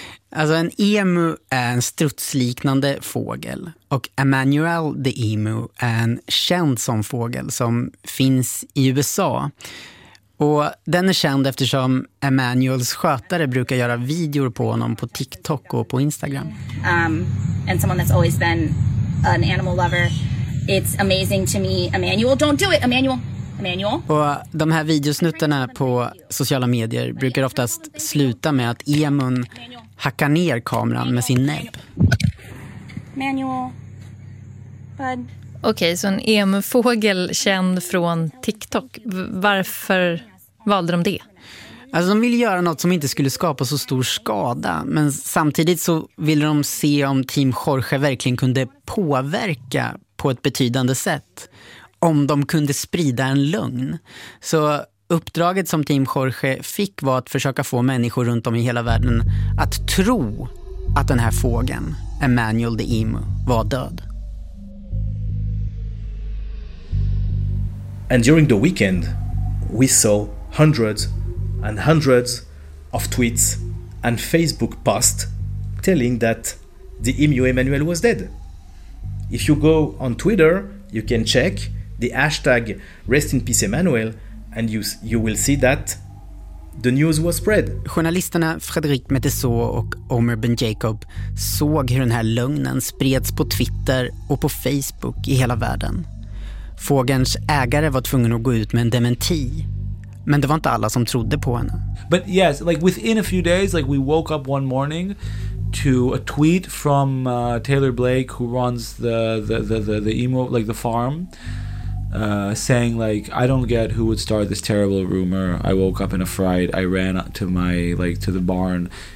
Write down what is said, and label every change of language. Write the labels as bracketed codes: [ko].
[sv] Alltså en emu är en strutsliknande fågel och Emmanuel the Emu är en känd som fågel som finns i USA. Och den är känd eftersom Emmanuels skötare brukar göra videor på honom på TikTok och på Instagram. [en] And someone that's always been an animal lover. It's amazing to me. Emmanuel, don't do it, Emmanuel. [sv] Och de här videosnuttarna på sociala medier brukar oftast sluta med att emun hackar ner kameran med sin näbb. Okej, så en emufågel känd från TikTok. Varför valde de det? Alltså de ville göra något som inte skulle skapa så stor skada. Men samtidigt så ville de se om Team Jorge verkligen kunde påverka på ett betydande sätt. Om de kunde sprida en lögn. Så uppdraget som Team Jorge fick var att försöka få människor runt om i hela världen att tro att den här fågeln, Emmanuel the Emu, var död. [en] And during the weekend we saw hundreds and hundreds of tweets and Facebook posts telling that the Emu Emmanuel was dead. If you go on Twitter, you can check the hashtag Rest in Peace Emmanuel and you will see that the news was spread. [sv] Journalisterna Frédéric Metessot och Omer Ben Jacob såg hur den här lögnen spreds på Twitter och på Facebook i hela världen. Fågelns ägare var tvungen att gå ut med en dementi, men det var inte alla som trodde på henne. [en] But yes, like within a few days, like we woke up one morning to a tweet from Taylor Blake who runs the emo, like the farm. Saying like I don't get who would start this terrible rumor. I woke up in a fright. I ran to my like to the barn